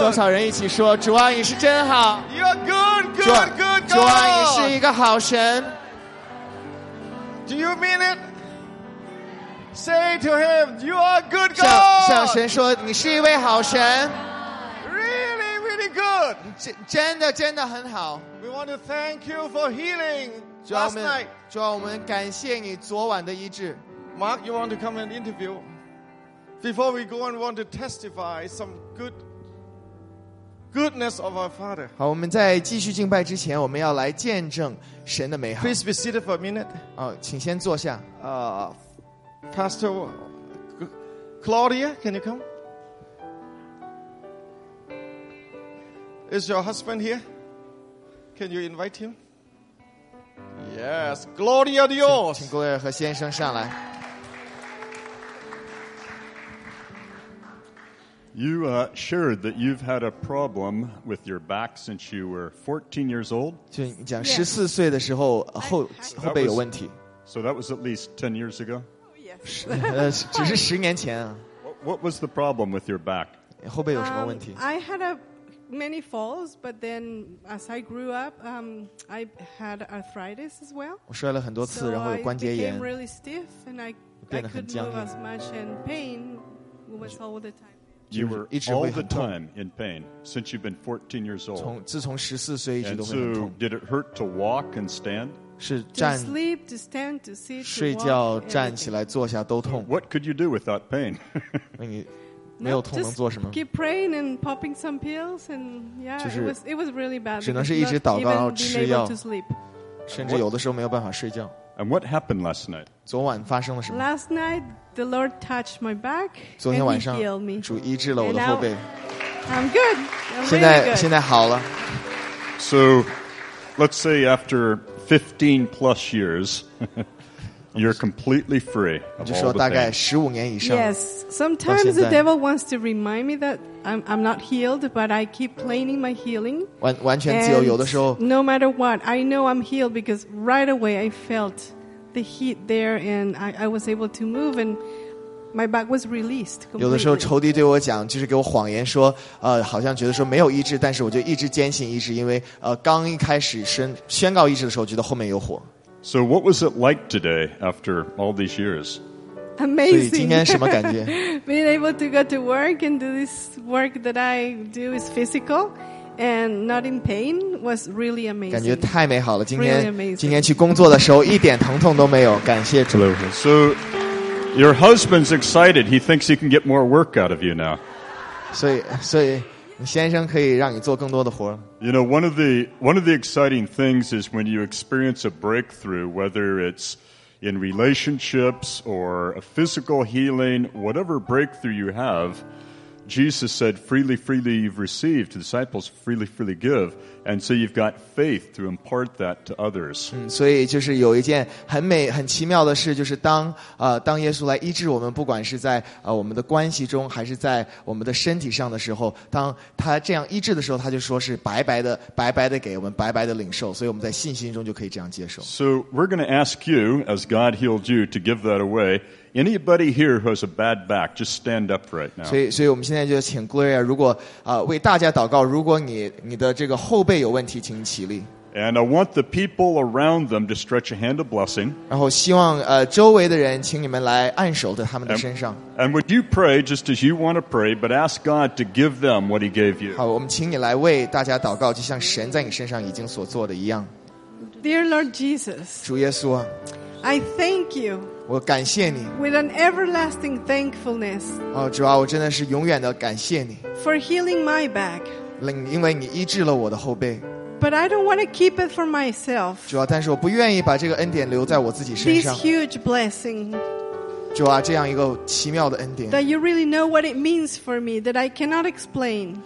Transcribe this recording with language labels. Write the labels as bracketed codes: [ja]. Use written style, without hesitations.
[zh] 多少人一起说，主啊，你是真好。 [en] You are good, good, good, God. [zh] 主啊，你是一个好神。 [en] Do you mean it? Say to him, you are good, God. [zh] 向神说，你是一位好神。 [en] Really, really good. [zh] 真的很好。 [en] We want to thank you for healing last night. [zh] 主啊，我们感谢你昨晚的医治。 [en] Mark, you want to come and interview? Before we go and want to testify some goodness of our Father. [zh] 好，我们在继续敬拜之前，我们要来见证神的美好。 [en] Please be seated for a minute. [zh] 哦，请先坐下。 [en] Pastor Claudia, can you come? Is your husband here? Can you invite him? Yes, Claudia, yours. [zh] 请 Claudia 和先生上来。 [en] You shared that you've had a problem with your back since you were 14 years old. [zh] 讲14岁的时候后背有问题。 [en] So that was at least 10 years ago? Yes. [zh] 只是十年前啊。 [en] What was the problem with your back? [zh] 后背有什么问题？ [en] I had many falls, but then as I grew up, I had arthritis as well. [zh] 我摔了很多次，然后有关节炎。 [en] So I became really stiff, and I couldn't move as much, and pain was all the time. You were all the time in pain since you've been 14 years old. [zh] 自从14岁一直都会很痛。 [en] And so, did it hurt to walk and stand? [zh] 是站。 [en] To sleep, to stand, to sit, to walk. [zh] 睡觉、站起来、坐下都痛。 [en] What could you do with that pain? [zh] 没有痛能做什么。 [en] Just keep praying and popping some pills and yeah, it was really bad. [zh] 只能是一直祷告，然后吃药， [en] to sleep. [zh] 甚至有的时候没有办法睡觉。 [en] And what happened last night? [zh] 昨晚发生了什么？ [en] Last night, the Lord touched my back. [zh] 昨天晚上，主医治了我的后背。 [en] I'm good. I'm [zh] 现在、 [en] really、good. [zh] 现在好了。 [en] So, let's say after 15 plus years. You're completely free of all the things. Yes, sometimes the devil wants to remind me that I'm not healed, but I keep claiming my healing. [zh] 完全自由，有的时候 [en] no matter what, I know I'm healed because right away I felt the heat there and I was able to move and my back was released. [zh] 有的时候仇敌对我讲，就是给我谎言说，好像觉得说没有医治，但是我就一直坚信医治，因为刚一开始宣告医治的时候，觉得后面有火。 [en] So what was it like today after all these years? Amazing. Being able to go to work and do this work that I do is physical and not in pain was really amazing. [zh] 感觉太美好了。今天去工作的时候一点疼痛都没有。感谢主。 [en] So your husband's excited. He thinks he can get more work out of you now. [zh] 所以先生可以让你做更多的活。 [en] You know, one of the exciting things is when you experience a breakthrough, whether it's in relationships or a physical healing, whatever breakthrough you have, Jesus said, freely, freely you've received, to disciples, freely, freely give. And so you've got faith to impart that to others. [zh] 所以就是有一件很美很奇妙的事，就是当耶稣来医治我们，不管是在我们的关系中还是在我们的身体上的时候，当他这样医治的时候，他就说是白白的给我们，白白的领受，所以我们在信心中就可以这样接受。 [en] So we're going to ask you, as God healed you, to give that away. Anybody here who has a bad back, just stand up right now. [zh] 所以我们现在就请 Gloria, 如果为大家祷告，如果你的这个后背有问题，请起立。 [en] And I want the people around them to stretch a hand of blessing. [zh] 然后希望周围的人，请你们来按手在他们的身上。 [en] And would you pray just as you want to pray, but ask God to give them what He gave you? [zh] 好，我们请你来为大家祷告，就像神在你身上已经所做的一样。 [en] Dear Lord Jesus, [zh] 主耶稣啊 [en] ，I thank you. [zh] 我感谢你。 [en] With an everlasting thankfulness. [zh] 哦，主啊，我真的是永远的感谢你。 [en] For healing my back. [zh] 因为你医治了我的后背。 [en] But I don't want to keep it for myself. [zh] 主啊，但是我不愿意把这个恩典留在我自己身上。 [en] This huge blessing. [zh] 主啊，这样一个奇妙的恩典。 [en] That you really know what it means for me, that I cannot explain.